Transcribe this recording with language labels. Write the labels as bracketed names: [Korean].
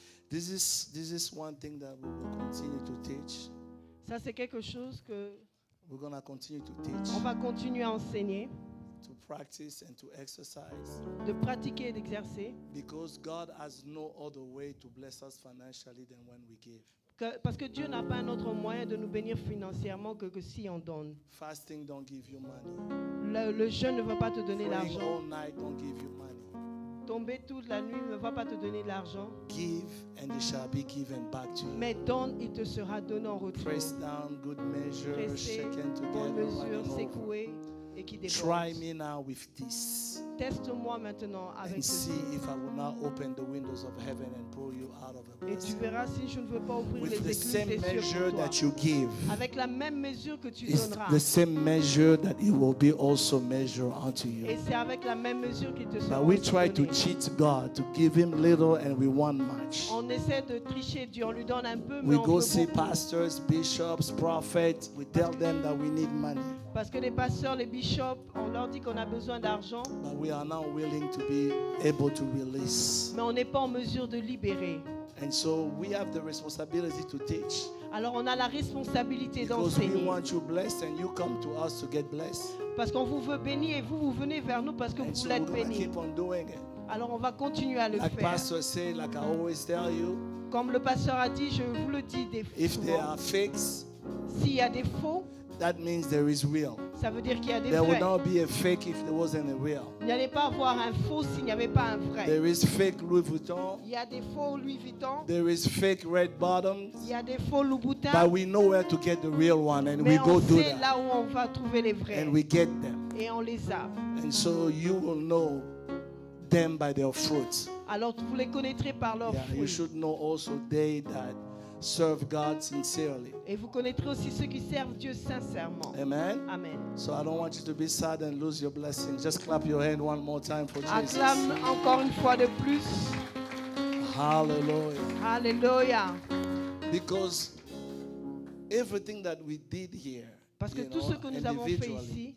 [English] This is one thing that we will continue to teach. [French] Ça c'est quelque chose que [English] we're going to continue to teach. [French] On va continuer à enseigner. [English] To practice and to exercise. [French] De pratiquer et d'exercer. [English] Because God has no other way to bless us financially than when we give. [French] Parce que Dieu n'a pas un autre moyen de nous bénir financièrement que si on donne. [English] Fasting don't give you money. [French] Le jeûne ne va pas te donner [English] praying [French] l'argent. [English] All night don't give you money. [French] Tomber toute la nuit ne va pas te donner de l'argent. [English] Give and it shall be given back to you. [French] Mais donne, il te sera donné en retour. [English] Press down, good measure, shaken together, [French] bonne mesure, secouée et qui déborde. [English] Try me now with this. [French] Teste-moi maintenant avec ceci. [English] And see if I will not open the windows of heaven and pull you out of the blessing. [French] Et tu verras si je ne veux pas ouvrir [English] with [French] les écluses des cieux pour toi. [English] That you give, [French] avec la même mesure que tu [English] it's [French] donneras. [English] The same measure that it will be also measured unto you. [French] Et c'est avec la même mesure qu'il te sera. [English] But we try to cheat God, to give him little and we want much. [French] On essaie de tricher Dieu, on lui donne un peu mais [English] we go see pastors, bishops, prophets, we tell them that we need money. [French] Parce que les pasteurs, les bishops, on leur dit qu'on a besoin d'argent. [English] But we are not willing to be able to release. [French] Mais on n'est pas en mesure de libérer. [English] And so we have the responsibility to teach. [French] Alors on a la responsabilité [English] because [French] d'enseigner. [English] We want you blessed and you come to us to get blessed. [French] Parce qu'on vous veut bénir et vous venez vers nous parce que [English] and [French] vous [English] so [French] voulez être bénis. [English] Keep on doing it. [French] Alors on va continuer à le [English] like [French] faire. [English] Pastor say, like I always tell you, [French] comme le pasteur a dit, je vous le dis des [English] if there are fakes, [French] s'il y a des faux, [English] that means there is real. [French] Ça veut dire qu'il y a des [English] there [French] vrais. [English] Would not be a fake if there wasn't a real. [French] Il n'y allait pas avoir un faux s'il n'y avait pas un vrai. [English] There is fake Louis Vuitton. [French] Il y a des faux Louis Vuitton. [English] There is fake red bottoms. [French] Il y a des faux Louboutins. [English] But we know where to get the real one and [French] mais [English] we go do that. [French] Là où on va trouver les vrais. [English] And we get them. [French] Et on les a. [English] And so you will know them by their fruits. [French] Alors vous les connaîtrez par leurs [English] yeah, [French] fruits. [English] You should know also they that serve God sincerely. [French] Et vous connaîtrez aussi ceux qui servent Dieu sincèrement. Amen. Amen. [English] So I don't want you to be sad and lose your blessing. Just clap your hand one more time for [French] acclame [English] Jesus. [French] Acclame encore une fois de plus. Hallelujah. Hallelujah. [English] Because everything that we did here, [French] parce que tout [English] know, [French] ce que nous avons fait ici,